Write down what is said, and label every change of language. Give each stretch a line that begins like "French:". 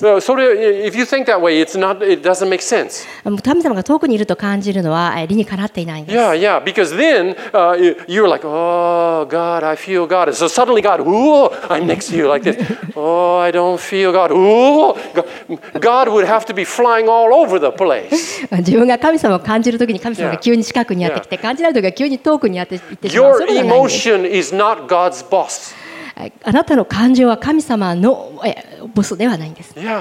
English: それ、if you think that way, it doesn't make sense.
Japanese: 神様が遠くにいると感じるのは理にかなっていないんです。
English: Yeah, yeah. Because then, you're like, oh, God, I feel God. So suddenly, God, whoa, I'm next to you like this. Oh, I don't feel God. Whoa, God would have to be flying all over the place.
Japanese: 自分が神様を感じるときに神様が急に近くにやってきて、感じないときは急に遠くにやって行ってしまう。
English: Your emotion is not God's boss.
Japanese: あなたの感情は神様のボスではないんです。